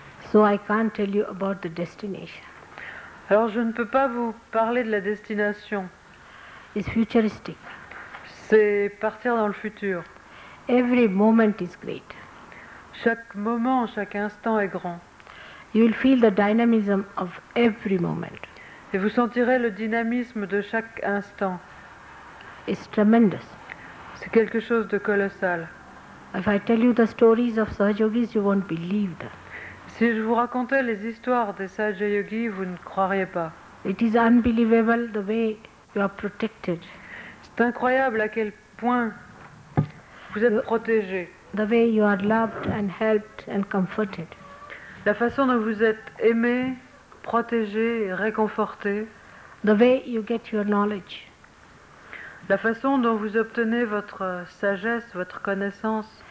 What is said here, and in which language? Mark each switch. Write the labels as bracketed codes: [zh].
[en] So I can't tell you about the destination. [fr] Alors je ne peux pas vous parler de la destination. [en] It's futuristic. [fr] C'est partir dans le futur. [en] Every moment is great. [fr] Chaque moment, chaque instant est grand. [en] You will feel the dynamism of every moment. [fr] Et vous sentirez le dynamisme de chaque instant. [en] It's tremendous. [fr] C'est quelque chose de colossal. [en] If I tell you the stories of Sahajyogis, you won't believe them. [fr] Si je vous racontais les histoires des Sahajyogis, vous ne croiriez pas. [en] It is unbelievable the way you are protected. [fr] C'est incroyable à quel point vous êtes protégé. [en] The way you are loved and helped and comforted. [fr] La façon dont vous êtes aimé, protégé et réconforté. [en] The way you get your knowledge. [fr] La façon dont vous obtenez votre sagesse, votre connaissance.